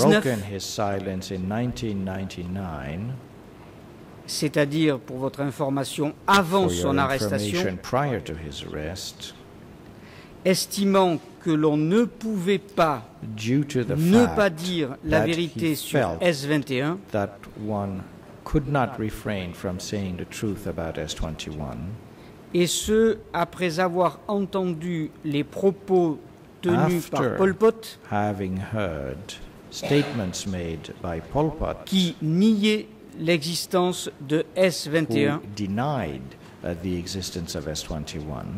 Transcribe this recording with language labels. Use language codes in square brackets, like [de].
[en] he had broken his silence in 1999, [fr] c'est-à-dire, pour votre information, avant son arrestation, [en] prior to his arrest, [fr] estimant que l'on ne pouvait pas ne pas dire la vérité sur S21, [en] that one could not refrain from saying the truth about S21, [fr] et ce, après avoir entendu les propos tenu [en] after [fr] par Pol Pot, [en] having heard statements made by Pol Pot, [fr] qui niait l'existence de S21, [en] who denied the existence of S21,